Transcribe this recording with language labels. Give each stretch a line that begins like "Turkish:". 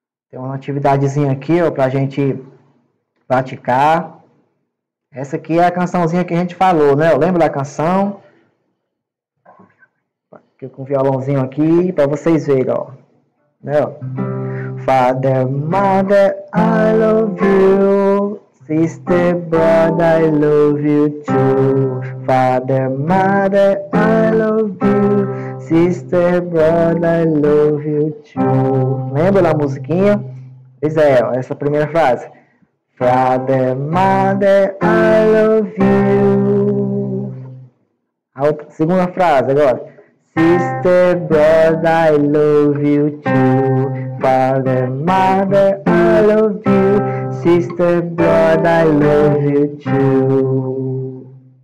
Portuguese: Tem uma atividadezinha aqui, ó, pra gente praticar. Essa aqui é a cançãozinha que a gente falou, né? Eu lembro da canção. Aqui com o violãozinho aqui, para vocês verem, ó. Né?
English: Father, mother, I love you. Sister, brother, I love you too. Father, mother, I love you. Sister, brother, I love you too.
Portuguese: Lembra da musiquinha? Pois é, ó, essa primeira frase.
English: Father, mother, I love you.
Portuguese: A outra, segunda frase agora.
English: Sister, brother, I love you too. Father, mother, I love you. Sister, brother, I love you too.